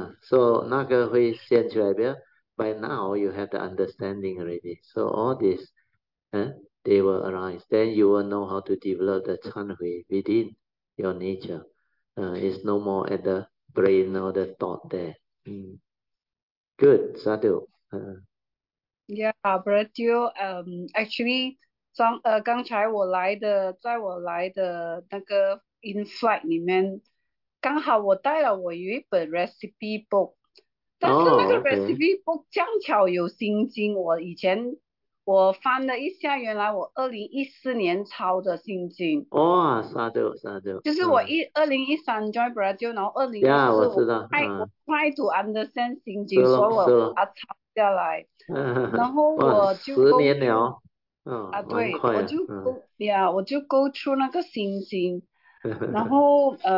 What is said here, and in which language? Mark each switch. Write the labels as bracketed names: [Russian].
[Chinese] So 那个会先出来不要? [English] By now you have the understanding already. So all this, they will arise. Then you will know how to develop the chanhui within your nature. It's no more at the brain or the thought there. Good, Sadhu. Yeah, but you actually [Chinese] 刚才我来的那个 [English] in flight [Chinese] 里面，刚好我带了我有一本 recipe book。但是那个recipe book 恰巧有心经，我以前我翻了一下，原来我2014年抄的心经。哇，沙丘，就是我2013 join Brazil， 然后2014我 [English] try to understand [Chinese] 心经，所以我把它抄下来，然后我就哇，十年了，对，我就 [English] go through [Chinese] 那个心经，然后。